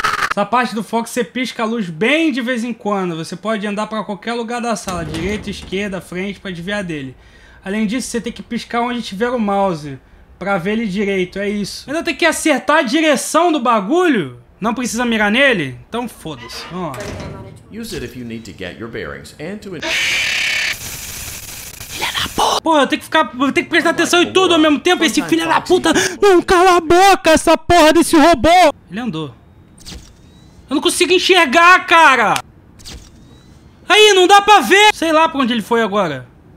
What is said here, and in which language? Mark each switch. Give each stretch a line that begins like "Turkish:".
Portuguese: Essa parte do foco você pisca a luz bem de vez em quando. Você pode andar pra qualquer lugar da sala, direita, esquerda, frente, pra desviar dele. Além disso, você tem que piscar onde tiver o mouse, pra ver ele direito, é isso. Ainda tem que acertar a direção do bagulho? Não precisa mirar nele? Então foda-se, vamos lá.
English: Use it if you need to get your bearings and to...
Portuguese: Porra, eu tenho que prestar atenção em tudo ao mesmo tempo, esse filho da puta... Não, cala a boca, essa porra desse robô! Ele andou. Eu não consigo enxergar, cara! Aí, não dá pra ver! Sei lá pra onde ele foi agora.